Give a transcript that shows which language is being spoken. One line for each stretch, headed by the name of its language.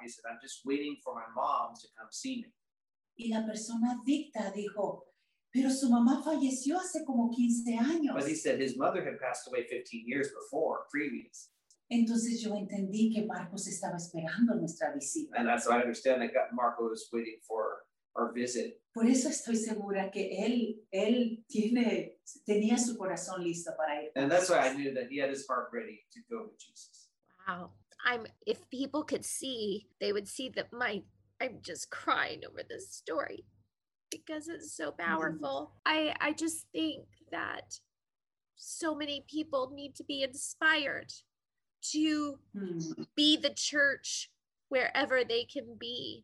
English: He said, I'm just waiting for my mom to come see me.
Spanish: Y la persona adicta dijo, pero su mamá falleció hace como 15 años.
English: But he said his mother had passed away 15 years before, previous.
Spanish: Entonces yo entendí que Marcos estaba esperando nuestra visita.
English: And that's what I understand that Marco was waiting for our visit.
Spanish: Por eso estoy segura que él tenía su corazón listo para ir.
English: And that's why I knew that he had his heart ready to go with Jesus. Wow. If people could see, they would see that I'm just crying over this story. Because it's so powerful. Mm-hmm. I just think that so many people need to be inspired to be the church wherever they can be.